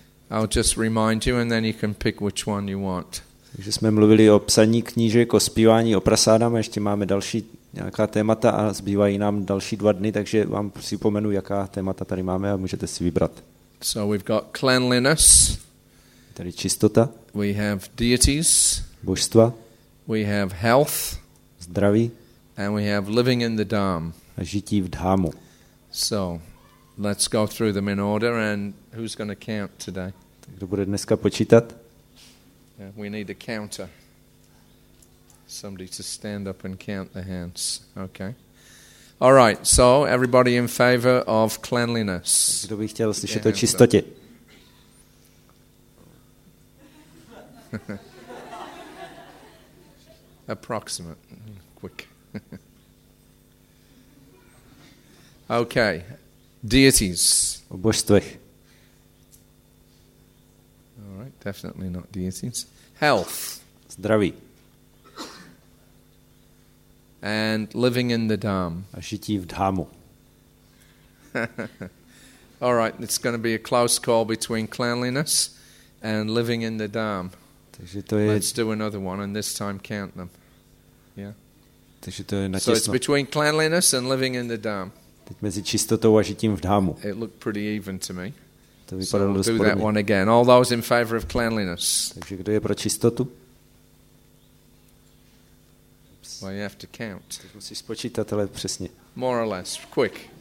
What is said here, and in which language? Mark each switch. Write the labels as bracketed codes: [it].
[en] I'll just remind you and then you can pick which one you want. [cs] Takže jsme mluvili o psaní knížek, o zpívání, o prasádám a ještě máme další nějaká témata a zbývají nám další dva dny, takže vám připomenu, jaká témata tady máme a můžete si vybrat. [en] So we've got cleanliness. [cs] Tady čistota. [en] We have deities. [cs] Božstva. [en] We have health. [cs] Zdraví. [en] And we have living in the dham. [cs] A žití v dhámu. [en] So let's go through them in order and who's going to count today? [cs] Tak kdo bude dneska počítat? [en] We need a counter. Somebody to stand up and count the hands. Okay. All right. So everybody in favor of cleanliness. [cs] Kdo by chtěl slyšet o čistotě? [en] Approximate. Quick. Okay. Deities. [cs] O božstvech. [en] All right. Definitely not deities. Health. [cs] Zdraví. [en] And living in the dham. [cs] A žití v dhámu. [en] All right, it's going to be a close call between cleanliness and living in the dham. [cs] Takže to je... [en] Let's do another one and this time count them. Yeah. [cs] Takže to je na [en] čistotu. So it's between cleanliness and living in the dham. [cs] Teď mezi čistotou a žitím v dhámu. [en] It looked pretty even to me. [cs] To vypadalo [en] so [cs] dost [en] do that one again. All those in favor of cleanliness. [cs] Takže kdo je pro čistotu? [en] Well, you have to count. [cs] Musíš spočítat, ale přesně. [en] More or less, quick.